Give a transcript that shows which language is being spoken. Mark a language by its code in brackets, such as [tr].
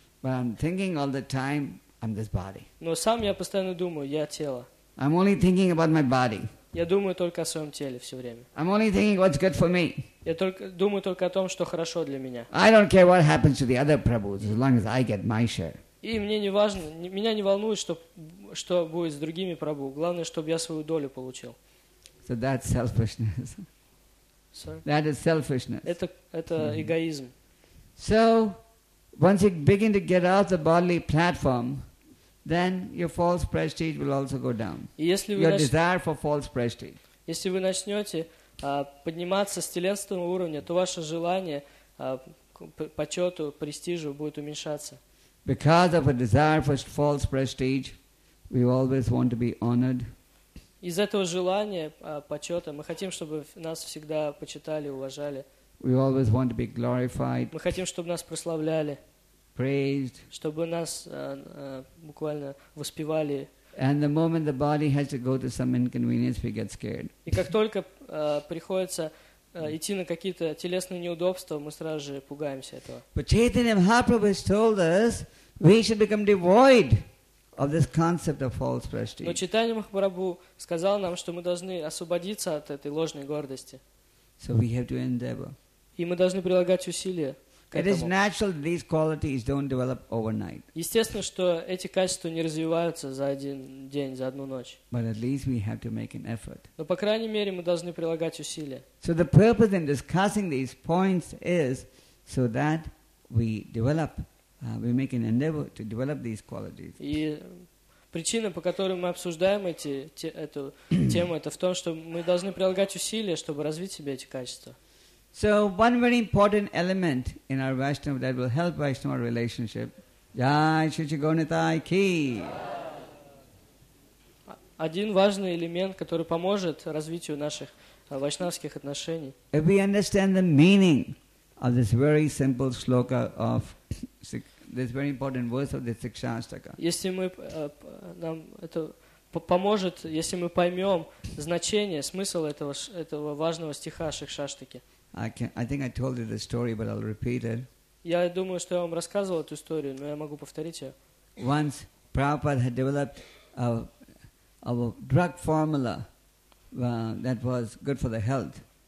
[en] But I'm thinking all the time, I'm this body. [ru] Но сам я постоянно думаю, я тело. [en] I'm only thinking about my body. [ru] Я думаю только о своем теле все время. [en] I'm only thinking what's good for me. [ru] Я только думаю только о том, что хорошо для меня. [en] I don't care what happens to the other prabhus, as long as I get my share. [ru] И мне не важно, меня не волнует, что будет с другими прабху. Главное, чтобы я свою долю получил. [en] So that's selfishness. Sorry? That is selfishness. [ru] Это эгоизм. [en] So, once you begin to get out the bodily platform, then your false prestige will also go down. Your desire for false prestige. [ru] Если вы начнете подниматься с телесного уровня, то ваше желание почету, престижу будет уменьшаться. [en] Because of a desire for false prestige, we always want to be honored. [ru] Из этого желания почета мы хотим, чтобы нас всегда почитали, уважали. [en] We always want to be glorified. [ru] Мы хотим, чтобы нас прославляли. [en] Praised. [ru] Чтобы нас буквально воспевали. [en] And the moment the body has to go to some inconvenience, we get scared. [ru] И как только приходится идти на какие-то телесные неудобства, мы сразу же пугаемся этого. [en] But Chaitanya Mahaprabhu has told us we should become devoid of this concept of false prestige. [ru] Но Чайтанья Махапрабху сказал нам, что мы должны освободиться от этой ложной гордости. [en] So we have to endeavor. [ru] И мы должны прилагать усилия. [en] It is natural that these qualities don't develop overnight. [ru] Естественно, что эти качества не развиваются за один день, за одну ночь. [en] But at least we have to make an effort. [ru] Но по крайней мере мы должны прилагать усилия. [en] So the purpose in discussing these points is so that we develop, we make an endeavor to develop these qualities. [ru] И причина, по которой мы обсуждаем эту тему, это в том, что мы должны прилагать усилия, чтобы развить в себе эти качества. [en] So one very important element in our Vaishnava that will help Vaishnava relationship. Jai Shuchi Gonitai Ki. [ru] Один важный элемент, который поможет развитию наших вайшнавских отношений. [en] If we understand the meaning of this very simple shloka of this very important verse of the Sikshastaka. [ru] Если мы нам это поможет, если мы поймем значение, смысл этого важного стиха Шикшаштаки. [en] I think I told you the story, but I'll repeat it. [ru] Я думаю, что я вам рассказывал эту историю, но я могу повторить ее. [en] Once Prabhupada had developed a drug formula that was good for the health.